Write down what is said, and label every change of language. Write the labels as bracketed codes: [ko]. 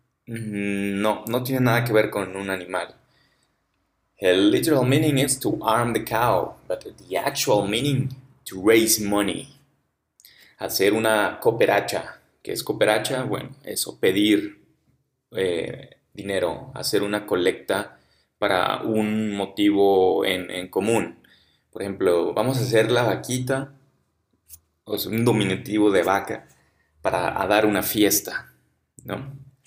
[es] No tiene nada que ver con un animal. [en] El literal meaning is to arm the cow, but the actual meaning, to raise money. [es] Hacer una cooperacha. ¿Qué es cooperacha? Bueno, eso, pedir dinero, hacer una colecta para un motivo en común. Por ejemplo, vamos a hacer la vaquita, o sea, un diminutivo de vaca, para dar una fiesta, ¿no?